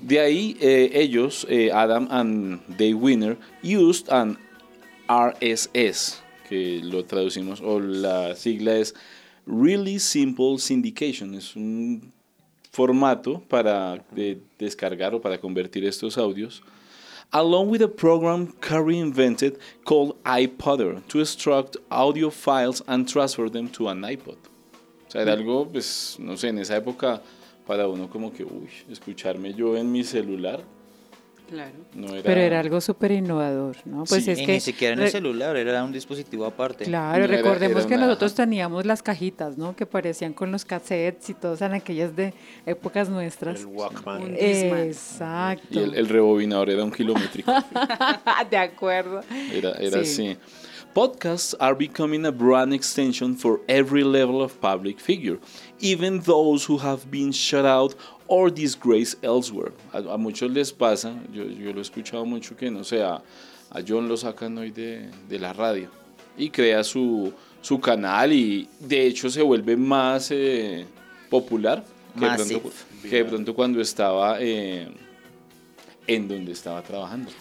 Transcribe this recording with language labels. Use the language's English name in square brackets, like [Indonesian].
[Spanish] De ahí ellos, Adam and Dave Winner, [English] used an RSS, [Spanish] que lo traducimos, o la sigla es Really Simple Syndication. Es un formato para descargar o para convertir estos audios. [English] Along with a program Curry invented called iPodder to extract audio files and transfer them to an iPod. [Spanish] O sea, era algo, pues, no sé, en esa época para uno como que, uy, escucharme yo en mi celular. Claro. No era... Pero era algo súper innovador, ¿no? Pues sí, es y que ni siquiera en el celular, era un dispositivo aparte. Claro, no recordemos era que nosotros teníamos las cajitas, ¿no? Que parecían con los cassettes y todas en aquellas de épocas nuestras. El Walkman. Exacto. Y el rebobinador era un kilométrico. De acuerdo. Era sí. Así. [English] Podcasts are becoming a brand extension for every level of public figure, even those who have been shut out or disgraced elsewhere. [Spanish] A muchos les pasa, yo lo he escuchado mucho, que no sé, a John lo sacan hoy de la radio y crea su canal y de hecho se vuelve más popular que de pronto cuando estaba... en donde estaba trabajando.